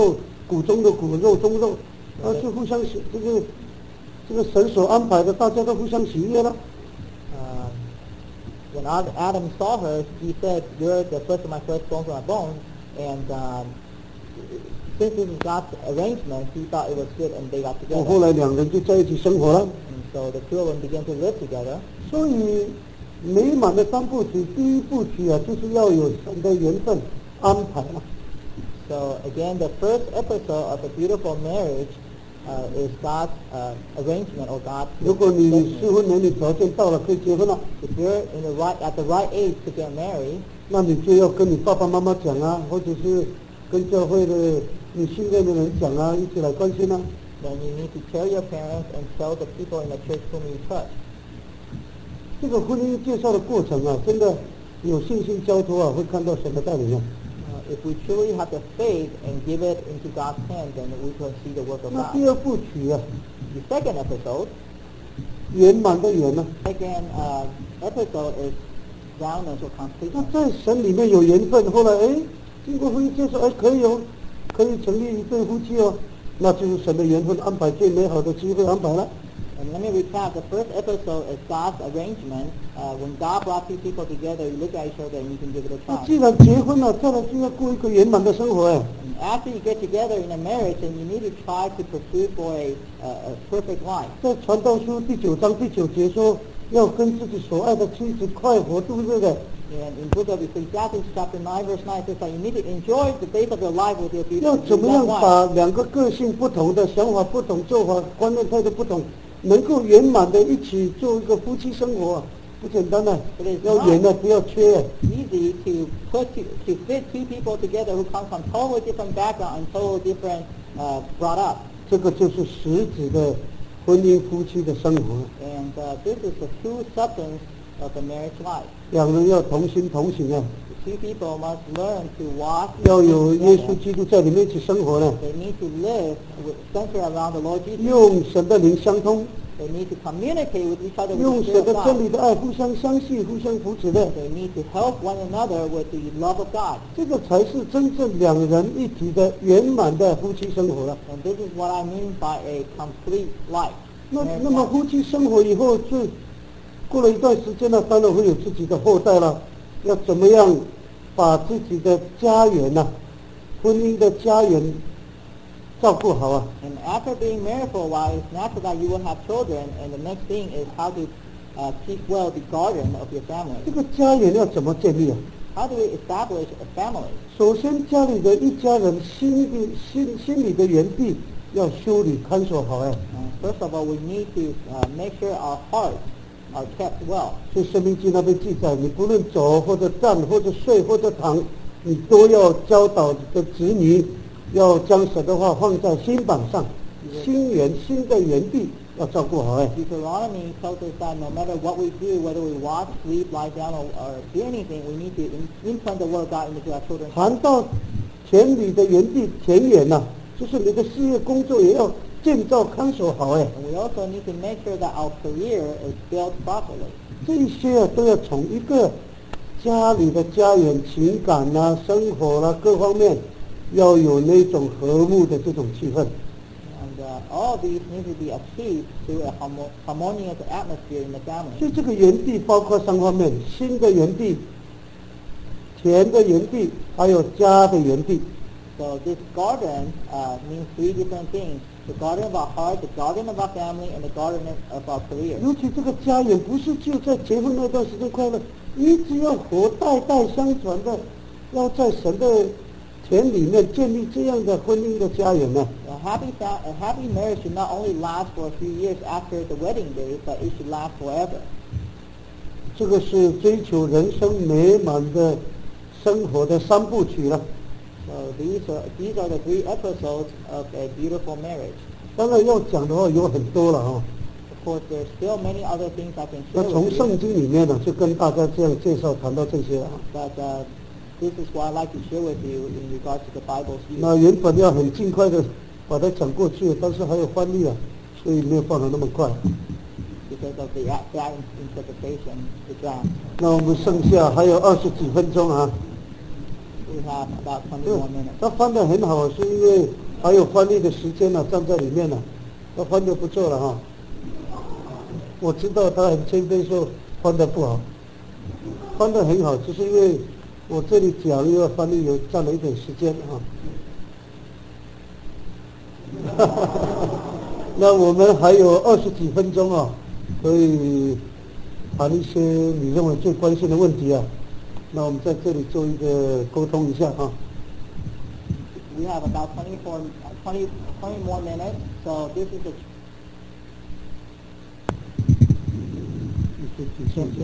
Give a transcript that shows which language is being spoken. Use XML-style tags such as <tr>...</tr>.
<zh>然后双方看了以后就说这是我肉骨中的骨肉中肉, 而是互相这个神所安排的, 大家都互相喜悦了。</zh> <en>When Adam saw her, he said, you're the first of my first bones of my bones, and since this is God's arrangement, he thought it was good, and they got together.</en> <zh>后来两人就在一起生活了。</zh> <en>And so the two of them began to live together.</en> <zh>所以美满的三部曲, 第一部曲啊, 就是要有神的缘分安排嘛。</zh> <en>So again, the first episode of A Beautiful Marriage is God's arrangement or God's arrangement.</en> <zh>如果你适婚年龄条件到了, 可以结婚了。</zh> <en>If you're in the right, at the right age to get married,</en> <zh>那你就要跟你爸爸妈妈讲啊, 或者是跟教会的你信任的人讲啊，一起来关心啊。</zh> <en>Then you need to tell your parents and tell the people in the church whom you trust.</en> <zh>这个婚姻介绍的过程啊，真的有信心交托啊，会看到神的带领啊。</zh> <en>If we truly have the faith and give it into God's hand, then we can see the work of God.</en> <zh>那第二部曲啊。</zh> <en>The second episode.</en> <zh>圆满的圆啊。</zh> <en>Second episode is roundness or completeness.</en> <zh>那在神里面有缘分，后来哎，经过婚姻介绍，哎，可以哦。可以成立一对夫妻哦，那就是神的缘分安排，最美好的机会安排了。</zh> <en>And let me recap, the first episode is God's arrangement. When God brought two people together, you look at each other and you can give it a try.</en> <zh>那既然结婚了，再来就要过一个圆满的生活哎。</zh> <en>After you get together in a marriage, and you need to try to pursue for a perfect life.</en> <zh>在传道书第九章第九节说，要跟自己所爱的妻子快活度日的。</zh> <en>And in Book of Ecclesiastes chapter 9 verse 9 says that you need to enjoy the days of your life with your beautiful wife.</en> <zh>要怎么样把两个个性不同的想法不同做法观念态度不同能够圆满的一起做一个夫妻生活不简单啊要圆的不要缺</zh> <en>easy to, put to fit two people together who come from totally different background and totally different brought up.</en> <zh>这个就是实质的婚姻夫妻的生活</zh> <en>And this is the true substance of the marriage life.</en> <zh>两人要同心同行啊</zh> <en>Two people must learn to walk</en> <zh>要有耶稣基督在里面一起生活呢</zh> <en>They need to live centered around the Lord Jesus</en> <zh>用神的灵相通</zh> <en>They need to communicate with each other</en> <zh>用神的真理的爱互相相信互相扶持的</zh> <en>They need to help one another with the love of God</en> <zh>这个才是真正两人一体的圆满的夫妻生活了</zh> <en>And this is what I mean by a complete life</en> <zh>那么夫妻生活以后就过了一段时间呢，当然会有自己的后代了。要怎么样把自己的家园呢、啊，婚姻的家园照顾好啊</zh> <en>？And after being married for a while, it's natural that you will have children. And the next thing is how to keep well the garden of your family.</en> <zh>这个家园要怎么建立啊</zh> <en>？How do we establish a family?</en> <zh>首先，家里的一家人心里的园地要修理看守好哎、啊。</zh> <en>First of all, we need to make sure our hearts. Are kept well.</en> <zh>所以《生命记》那边记载，你不论走或者站或者睡或者躺，你都要教导你的子女，要将神的话放在心板上，心园新的园地要照顾好哎。</zh> <en>Deuteronomy tells us that no matter what we do, whether we walk, sleep, lie down, or do anything, we need to implant the word of God into our children.</en> <zh>谈到田里的园地田园呐、啊，就是你的事业工作也要。建造看守好哎</zh> <en>，We also need to make sure that our career is built properly.</en> <zh>这些啊都要从一个家里的家园、情感呐、啊、生活啦、啊、各方面，要有那种和睦的这种气氛。</zh> <en>And all these need to be achieved through a harmonious atmosphere in the family.</en> <zh>所以这个园地包括三方面：新的园地、田的园地，还有家的园地。</zh> <en>So this garden means three different things. The garden of our heart, the garden of our family, and the garden of our career.</en> <zh>尤其这个家园不是就在结婚那段时间快乐，一直要活代代相传的，要在神的田里面建立这样的婚姻的家园呢。</zh> <en>A happy marriage should not only last for a few years after the wedding day, but it should last forever.</en> <zh>这个是追求人生美满的生活的三部曲了。</zh> <en>These are the three episodes of a beautiful marriage.</en> <zh>当然要讲的话有很多了</zh> <en>Of course, there are still many other things I can share with you.</en> <zh>那从圣经里面呢，就跟大家这样介绍谈到这些啊。</zh> <en>But this is what I'd like to share with you in regards to the Bible's view.</en> <zh>那原本要很尽快的把它讲过去，但是还有翻译啊，所以没有放得那么快。</zh> <en>Because of the bad interpretation, the drama.</en> <zh>那我们剩下还有二十几分钟啊。</zh> <en>We have about 21 minutes.</en> <zh>他翻得很好，是因为还有翻译的时间呢、啊，站在里面呢、啊，他翻得不错了哈。我知道他很谦卑说翻得不好，翻得很好，就是因为我这里讲要翻译有占了一点时间哈。那我们还有二十几分钟啊，可以谈一些你认为最关心的问题啊。那我们在这里做一个沟通一下哈。</zh> <en>We have about 20 more minutes, so this is a.</en>